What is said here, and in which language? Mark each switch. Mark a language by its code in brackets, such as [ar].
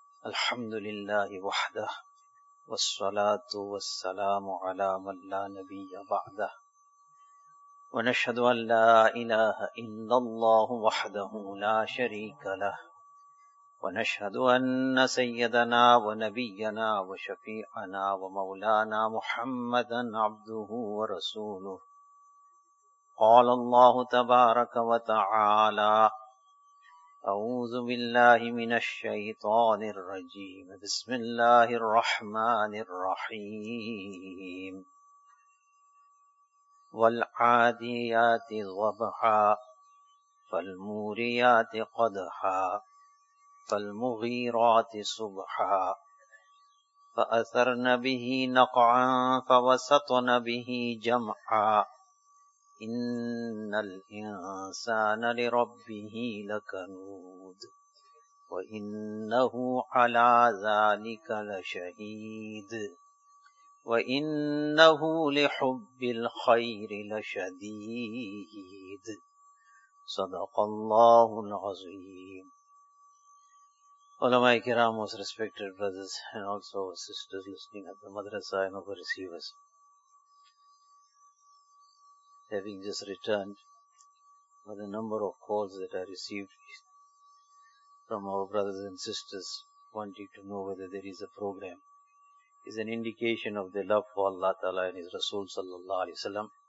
[ar] الحمد للہ وحدہ والصلاۃ والسلام علی من لا نبی بعدہ، ونشہد ان لا الہ الا اللہ وحدہ لا شریک لہ، ونشہد ان سیدنا ونبینا وشفیعنا ومولانا محمدا عبدہ ورسولہ. قال الله تبارك وتعالى: أعوذ بالله من الشيطان الرجيم، بسم الله الرحمن الرحيم. والعاديات ضبحا فالموريات قدحا فالمغيرات صبحا فأثرن به نقعا فوسطن به جمعا ان الانسان لربه لكنود وانه على ذلك لشهيد وانه لحب الخير لشديد صدق الله العظيم. [ur] علماء کرام، [en] most respected brothers and also sisters listening at the madrasa and over receivers, having just returned by the number of calls that I received from our brothers and sisters wanting to know whether there is a program, is an indication of their love for Allah Ta'ala and His Rasul Sallallahu Alaihi Wasallam.